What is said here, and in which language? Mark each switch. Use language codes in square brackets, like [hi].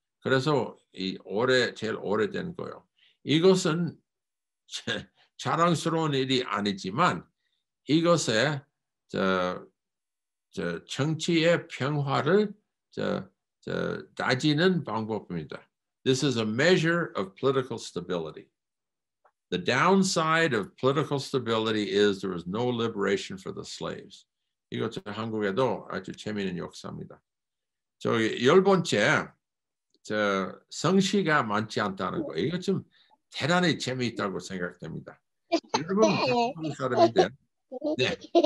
[ko] 그래서 이 오래 제일 오래된 거요. 이것은 자랑스러운 일이 아니지만 이것에 저 정치의 평화를 저 다지는 방법입니다. [en] This is a measure of political stability. The downside of political stability is there is no liberation for the slaves. [ko] 이것 한국에도 아주 재미있는 역사입니다. 저기 열 번째, 저 성씨가 많지 않다는 거. 이거 좀 대단히 재미있다고 생각됩니다. 여러분, 한국 사람인데. 네.